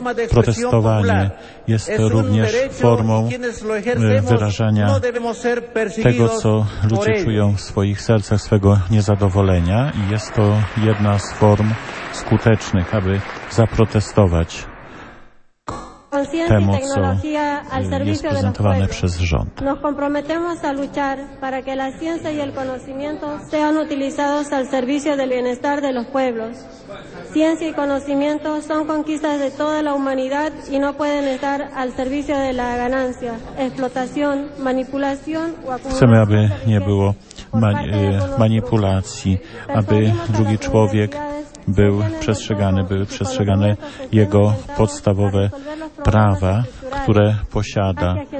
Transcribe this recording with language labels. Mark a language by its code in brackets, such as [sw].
[pl] Protestowanie jest również formą wyrażania tego, co ludzie czują w swoich sercach, swego niezadowolenia i jest to jedna z form skutecznych, aby zaprotestować temu, co jest prezentowane przez rząd. [es] Nos comprometemos a luchar para que la ciencia y el conocimiento sean utilizados al servicio del bienestar de los pueblos. Ciencia y conocimiento son conquistas de toda la humanidad y no pueden estar al servicio de la ganancia, explotación, manipulación o acumulación. [pl] Chcemy, aby nie było manipulacji, aby drugi człowiek był przestrzegany, były przestrzegane jego podstawowe prawa, które posiada.